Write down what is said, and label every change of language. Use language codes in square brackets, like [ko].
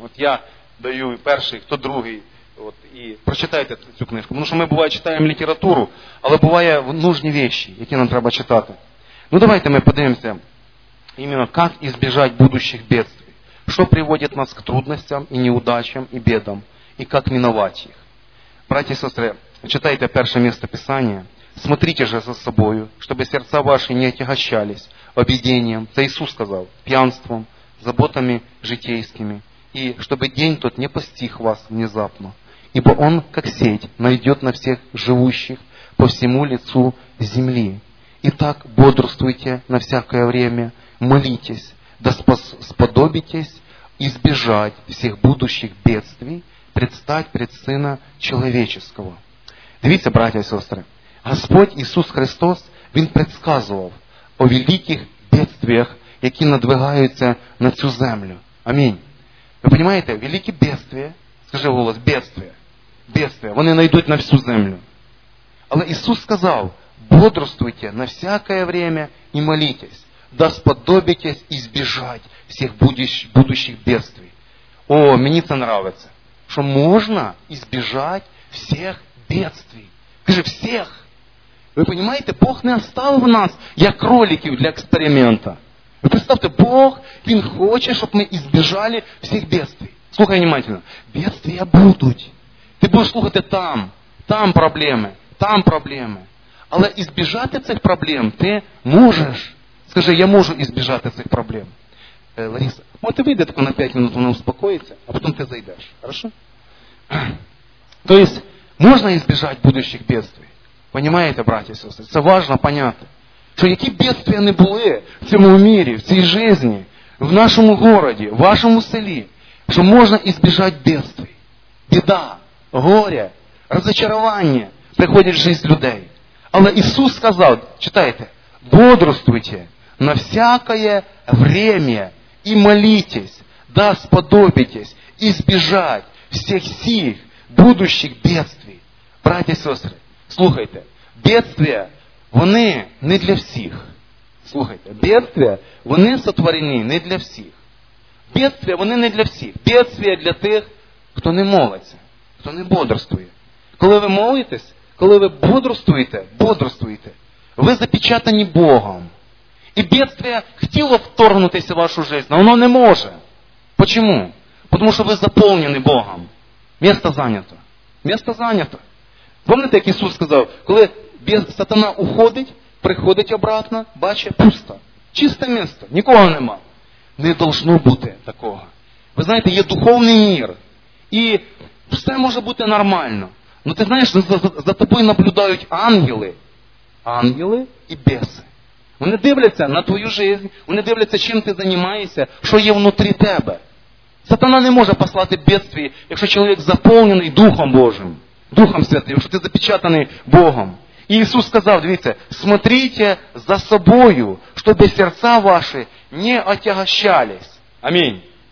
[uk] От я даю перший, хто другий. От, і прочитайте цю книжку. Тому що ми, буває, читаємо літературу, але буває нужні речі, які нам треба читати. Ну, давайте ми подивимося, іменно, як ізбіжати будущих бедствий. Що приводить нас к трудностям і неудачам, і бедам. [ru] И как миновать их. Братья и сестры, читайте первое место Писания. Смотрите же за собою, чтобы сердца ваши не отягощались объедением, это Иисус сказал, пьянством, заботами житейскими, и чтобы день тот не постиг вас внезапно. Ибо он, как сеть, найдет на всех живущих по всему лицу земли. Итак, бодрствуйте на всякое время, молитесь, да сподобитесь избежать всех будущих бедствий, предстать пред Сына Человеческого. [uk] Дивіться, [ru] братья и сестры, Господь Иисус Христос, [uk] Він предсказував о великих бедствиях, які надвигаються на цю землю. Амінь. Ви понимаете, великі бедствия, скажи голос, бедствия, бедствия, вони найдуть на всю землю. Але Иисус сказав, [ru] бодрствуйте на всякое время и молитесь, да сподобитесь избежать всех будущих бедствий. [uk] О, мені це нравиться. Що можна ізбіжати всіх бедствий. Каже, всіх. Ви розумієте, Бог не оставив нас, як кроликів для експерименту. Ви представте, Бог, Він хоче, щоб ми ізбіжали всіх бедствий. Слухай внимательно. Бедствия будуть. Ти будеш слухати там. Там проблеми. Там проблеми. Але ізбіжати цих проблем ти можеш. Скажи, я можу ізбіжати цих проблем. Лариса, можете вийти тільки на 5 минут, вона успокоїться, а потім ти зайдеш. Хорошо? Тобто, можна ізбіжати будущих бедствий? Понимаєте, браті і сестри? Це важливо поняти. Що які бедствия не були в цьому мірі, в цій житті, в нашому місті, в вашому селі, що можна ізбіжати бедствий? Біда, горе, розчарування приходять в життя людей. Але Ісус сказав, читайте, [ru] бодрствуйте на всякое время и молитесь, да сподобитесь избежать всех сих будущих бедствий. Братья и сестры, слухайте, бедствия, вони не для всех. Слухайте, бедствия, вони сотворены не для всех. Бедствия, вони не для всех. Бедствия для тех, кто не молится, кто не бодрствует. [uk] Коли ви молитесь, коли ви бодрствуете, бодрствуете, ви запечатані Богом. [ru] И бедствие хотело вторгнутися в вашу жизнь, но оно не може. Почему? Потому что вы заполнены Богом. Место занято. Место занято. Помните, как Иисус сказал, когда сатана уходит, приходит обратно, бачит пусто. Чисте место. Никого нема. Не должно быть такого. Вы знаете, есть духовный мир. И все может быть нормально. Но ты знаешь, за тобой наблюдают ангелы. Ангелы и бесы. [uk] Вони дивляться на твою жизнь, вони дивляться, чим ти займаєшся, що є внутрі тебе. Сатана не може послати бедствий, якщо чоловік заповнений Духом Божим, Духом Святим, якщо ти запечатаний Богом. І Ісус сказав, дивіться, [ru] смотрите за собою, [uk] щоб серця ваші [ru] не отягощались. [uk] Амінь.